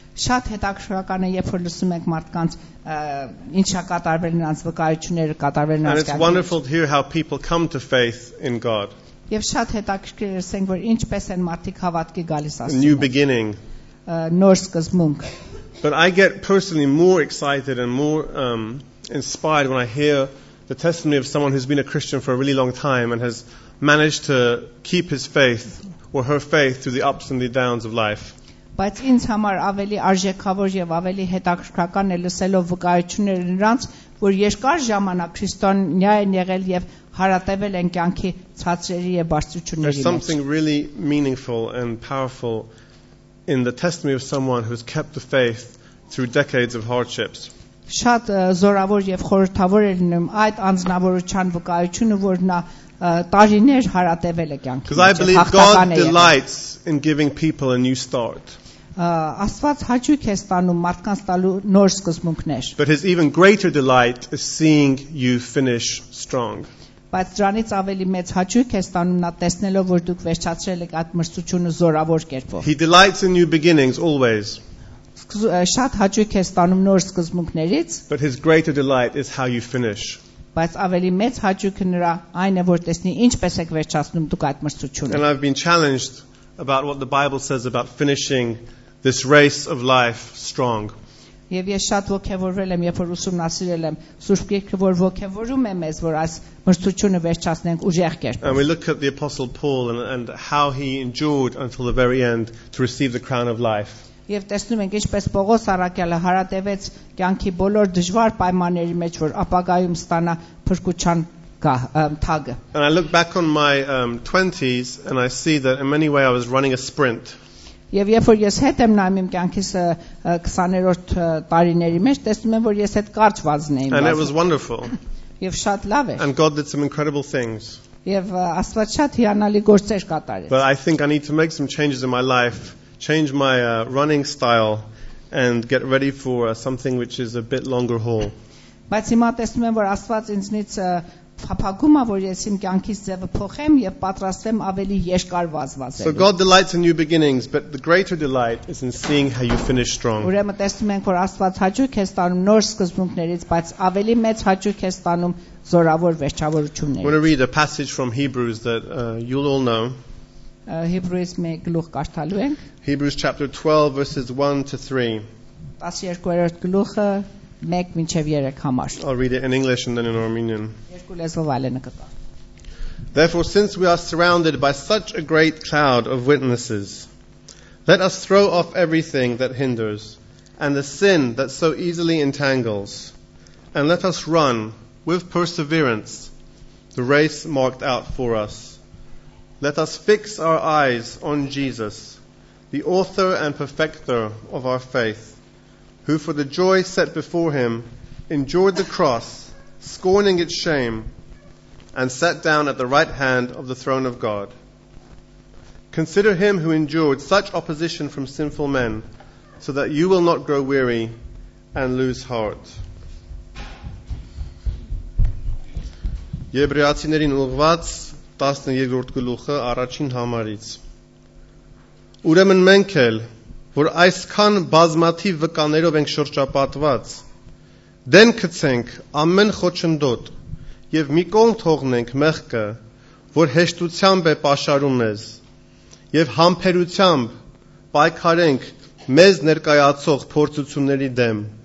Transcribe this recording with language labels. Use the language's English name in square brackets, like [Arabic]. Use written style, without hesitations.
[Armenian] շատ հետաքրքրական է, երբ որ լսում ենք մարդկանց ինչա կատարվել նրանց վկայությունները, կատարվել նրանց կյանքում. [English] And it's wonderful to hear how people come to faith in God. [Armenian] Եվ շատ հետաքրքիր է ասենք, որ ինչպես են մարդիկ հավատքի գալիս Աստծո. [English] New beginning. [Armenian] Նոր սկզբունք. [English] But I get personally more excited and more inspired when I hear the testimony of someone who's been a Christian for a really long time and has managed to keep his faith or her faith through the ups and the downs of life. [Armenian] Բայց ինձ համար ավելի արժեքավոր եւ ավելի հետաքրքրական է լսելով վկայությունները նրանց, որ երկար ժամանակ քրիստոնյա են եղել եւ հարատևել են կյանքի ցածրերի եւ բարձրությունների մեջ. [English] There's something really meaningful and powerful in the testimony of someone who's kept the faith through decades of hardships. [Armenian] Շատ զորավոր եւ խորհրդավոր է լինում այդ անձնավորության վկայությունը, որ նա տարիներ հարատևել է կյանքի [English] Because I believe God delights in giving people a new start. [Armenian] Աստված հաճույք է ստանում մարդկանց տալու նոր սկզբունքներ. [English] But his even greater delight is seeing you finish strong. [Armenian] Բայց դրանից ավելի մեծ հաճույք է ստանում նա տեսնելով, որ դուք վերջացրել եք այդ մրցությունը զորավոր կերպով. [English] He delights in new beginnings always. [Armenian] Շատ հաճույք է ստանում նոր սկզբունքներից. [English] But his greater delight is how you finish. [Armenian] Բայց ավելի մեծ հաճույքը նրա այն է, որ տեսնի ինչպես եք վերջացնում դուք այդ մրցությունը. [English] And I've been challenged about what the Bible says about finishing this race of life strong. [Armenian] Եվ ես շատ ոգևորվել եմ, երբ որ ուսումնասիրել եմ Սուրբ Գիրքը, որ ոգևորում է մեզ, որ այս մրցությունը վերջացնենք ուժեղ կերպով. [English] And we look at the Apostle Paul and how he endured until the very end to receive the crown of life. [Armenian] Եվ տեսնում ենք, ինչպես Պողոս առաքյալը հարատևեց կյանքի բոլոր դժվար պայմանների մեջ, որ ապագայում ստանա փրկության թագը. [English] And I look back on my 20s and I see that in many ways I was running a sprint. [Armenian] Եվ երբ որ ես հետ եմ նայում իմ կյանքիս 20-րդ տարիների մեջ, տեսնում եմ, որ ես այդ կարճ վազն էի մարդ. [English] And it was wonderful. [Armenian] Եվ շատ լավ է. [English] And God did some incredible things. [Armenian] Եվ Աստված շատ հիանալի գործեր կատարեց. [English] But I think I need to make some changes in my life. Change my running style and get ready for something which is a bit longer haul. [Armenian] Բայց հիմա տեսնում եմ, որ Աստված ինձնից փափագում է, որ ես իմ կյանքի ձևը փոխեմ եւ պատրաստվեմ ավելի երկար վազվազել. [English] So God delights in new beginnings, but the greater delight is in seeing how you finish strong. [Armenian] Ուրեմն տեսնում ենք, որ Աստված հաճույք է ստանում նոր սկզբունքներից, բայց ավելի մեծ հաճույք է ստանում զորավոր վերջավորություններից. [English] We're going to read a passage from Hebrews that you'll all know. [Armenian] Հեբրեոս 1 գլուխ կարդալու ենք. [English] Hebrews chapter 12 verses 1 to 3. [Armenian] 12-րդ գլուխը 1 մինչև 3 համար. [English] I'll read it in English and then in Armenian. [Armenian] Երկու լեզվով այլ նկատա. [English] Therefore, since we are surrounded by such a great cloud of witnesses, let us throw off everything that hinders and the sin that so easily entangles, and let us run with perseverance the race marked out for us. Let us fix our eyes on Jesus, the author and perfecter of our faith, who for the joy set before him endured the cross, scorning its shame, and sat down at the right hand of the throne of God. Consider him who endured such opposition from sinful men, so that you will not grow weary and lose heart. [Armenian] Եբրեացիներին ուղված 12-րդ գլուխը առաջին համարից. Ուրեմն մենք էլ, որ այսքան բազմաթիվ վկաներով ենք շրջապատված, դեն գցենք ամեն խոչընդոտ եւ մի կողմ թողնենք մեղքը, որ հեշտությամբ է պաշարում մեզ, եւ համբերությամբ պայքարենք մեզ ներկայացող փորձությունների դեմ։